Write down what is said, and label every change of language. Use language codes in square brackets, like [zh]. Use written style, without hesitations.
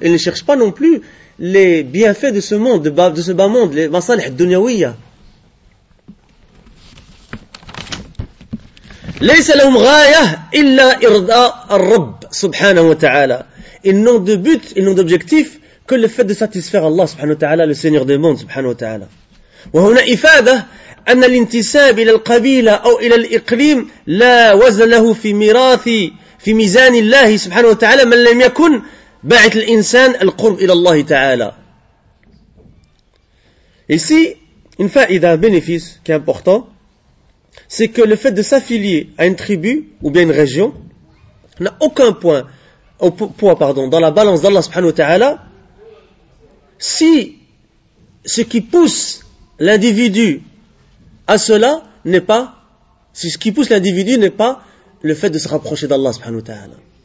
[fr] Ils ne cherchent pas non plus les bienfaits de ce monde, de ce bas monde, les masalih dunyawiyya. [ar] Laysa lahum ghaya illa irda ar-rabb subhanahu wa ta'ala. [fr] Ils n'ont de but, ils n'ont d'objectif que le fait de satisfaire Allah subhanahu wa ta'ala, le Seigneur des mondes subhanahu wa ta'ala. [ar] Wa huna ifada. أن الانتساب إلى القبيلة أو إلى الإقليم لا وزن له في ميراث في ميزان الله سبحانه وتعالى من لم يكن باعث الإنسان القرب إلى الله تعالى. [fr] Ici, une faida, un bénéfice qui est important, c'est que le fait de s'affilier à une tribu ou bien une région n'a aucun poids, dans la balance d'Allah سبحانه وتعالى si ce qui pousse l'individu à cela n'est pas, ce qui pousse l'individu n'est pas le fait de se rapprocher d'Allah subhanahu wa ta'ala.